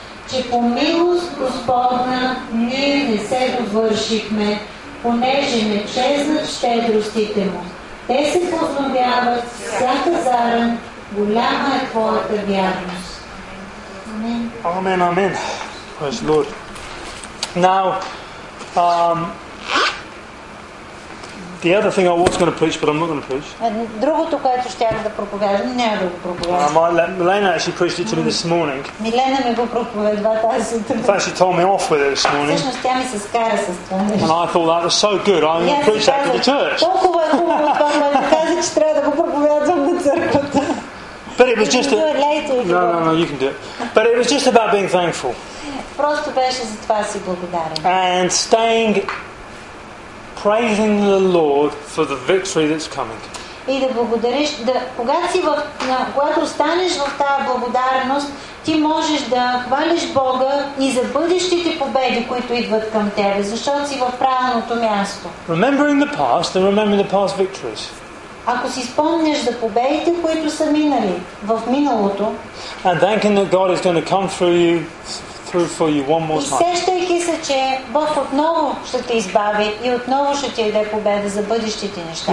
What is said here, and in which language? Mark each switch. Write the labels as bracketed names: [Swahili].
[Bulgarian] Че по милост Господна ние не се довършихме, понеже не чезнат щедростите му. Те се познавяват всяка заран, голяма е твоята вярност. [English] Амен. Амен, Praise the Lord. Now, the other thing I was going to preach, but I'm not going to preach. [Bulgarian] Другото, което щях да проповядам, няма да го проповядам. [English] Милена actually preached it to me this morning. [Bulgarian] Милена ми го проповедва тази сутрин. [English] In fact, she told me off with it this morning. [Bulgarian] Всъщност тя ми се скара с това. [English] And I thought that was so good. I'm going to preach that to the church. [Bulgarian] Толкова е хубаво това, което каза, че трябва да го проповядвам на църквата. [English] But it was just No, you can do it. But it was just about being thankful. [Bulgarian] Просто беше за това си благодарен. [English] And staying praising the Lord for the victory that's coming. [Bulgarian] И да благодариш, когато останеш в тая благодарност, ти можеш да хвалиш Бога и за бъдещите победи, които идват към тебе, защото си в правилното място. [English] Remembering the past and remembering the past victories. [Bulgarian] Ако си спомнеш за победите, които са минали в миналото, [English] and thinking that God is going to come through you for you one more time. [Bulgarian] Сещайки се, че Бог отново ще те избави и отново ще ти даде победа за бъдещите неща.